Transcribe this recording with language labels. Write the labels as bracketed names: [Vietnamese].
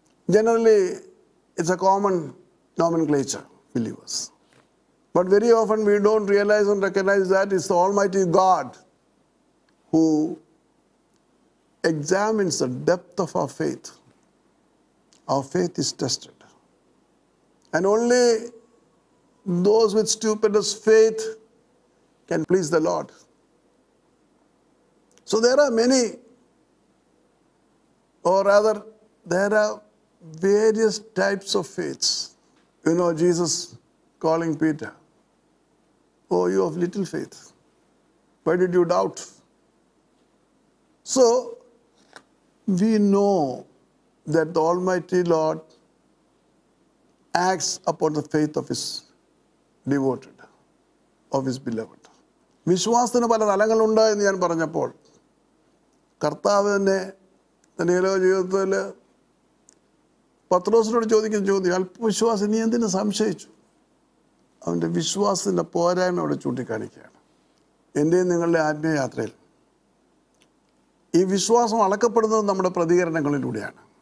[English] Generally it's a common nomenclature believers. But very often we don't realise and recognise that it's the almighty God who examines the depth of our faith. Our faith is tested. And only those with stupendous faith can please the Lord. So there are many, or rather, there are various types of faiths. You know, Jesus calling Peter, "Oh, you of little faith, why did you doubt?" So, we know that the Almighty Lord acts upon the faith of His devoted, of His beloved. [Malayalam] വിശ്വാസത്തിന് പല തലങ്ങളുണ്ട് എന്ന് ഞാൻ പറഞ്ഞപ്പോൾ കർത്താവ് തന്നെ തന്നെയല്ലോ ജീവിതത്തിൽ പത്രോസിനോട് ചോദിക്കുന്ന ചോദ്യം, അല്പവിശ്വാസം, നീ എന്തിനു സംശയിച്ചു? അവൻ്റെ വിശ്വാസത്തിൻ്റെ പോരായ്മ അവിടെ ചൂണ്ടിക്കാണിക്കുകയാണ്. എൻ്റെയും നിങ്ങളുടെ ആത്മീയയാത്രയിൽ ഈ വിശ്വാസം അളക്കപ്പെടുന്നത് നമ്മുടെ പ്രതികരണങ്ങളിലൂടെയാണ്.